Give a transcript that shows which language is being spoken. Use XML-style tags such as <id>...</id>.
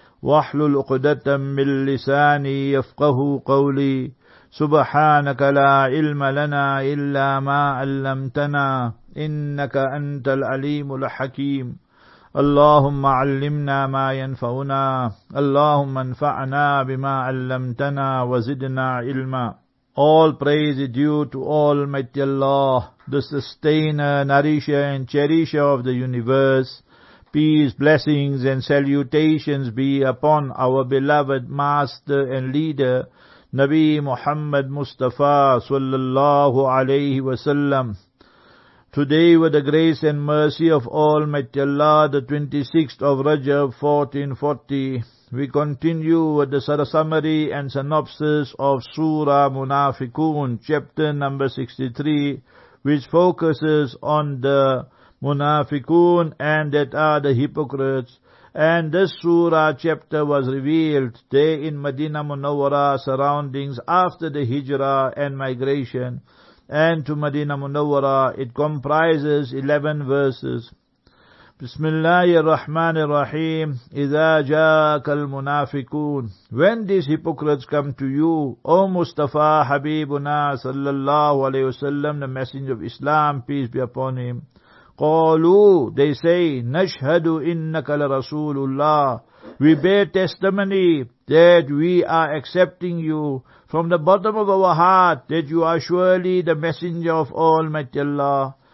<ar>واحلل عقدة من لساني يفقه قولي سبحانك لا علم لنا إلا ما علمتنا إنك أنت العليم الحكيم اللهم علمنا ما ينفعنا اللهم انفعنا بما علمتنا وزدنا علما.</ar> <en>All praise is due to Almighty Allah, the sustainer, nourisher and cherisher of the universe. Peace, blessings and salutations be upon our beloved master and leader, Nabi Muhammad Mustafa sallallahu alayhi wa sallam. Today, with the grace and mercy of Almighty Allah, the 26th of Rajab 1440, we continue with the summary and synopsis of Surah Munafiqun, chapter number 63, which focuses on the Munafiqun and that are the hypocrites. And this Surah chapter was revealed there in Medina Munawwara surroundings after the Hijrah and migration. And to Medina Munawwara, it comprises 11 verses.</en> <ar>بسم الله الرحمن الرحيم إذا جاءك المنافقون.</ar> <en>When these hypocrites come to you, O Mustafa</en> <ar>حبيبنا صلى الله عليه وسلم,</ar> <en>the messenger of Islam, peace be upon him,</en> <ar>قالوا,</ar> <en>they say,</en> <ar>نشهد إنك لرسول الله,</ar> <en>we bear testimony that we are accepting you from the bottom of our heart, that you are surely the messenger of Almighty Allah.</en>